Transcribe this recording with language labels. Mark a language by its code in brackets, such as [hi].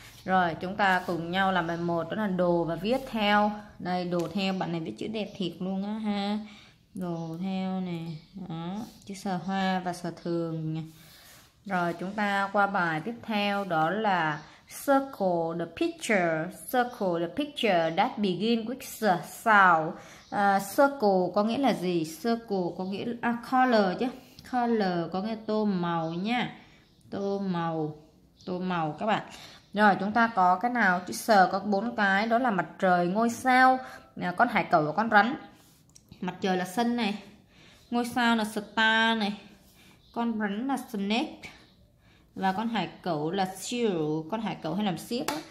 [vi] Rồi chúng ta cùng nhau làm bài 1. Đó là đồ và viết theo. Đây đồ theo, bạn này viết chữ đẹp thiệt luôn á ha. Đồ theo nè. Đó, chữ sờ hoa và sờ thường. Rồi chúng ta qua bài tiếp theo. Đó là [en] circle the picture. Circle the picture that begin with the sound. [vi] Circle có nghĩa là gì? Circle có nghĩa là color chứ. Color có nghĩa tô màu nha. Tô màu. Tô màu các bạn. Rồi chúng ta có cái nào? Chữ sờ có 4 cái. Đó là mặt trời, ngôi sao, con hải cẩu và con rắn. Mặt trời là sun này, ngôi sao là star này, con rắn là snake, và con hải cẩu là seal. Con hải cẩu hay làm xiếc.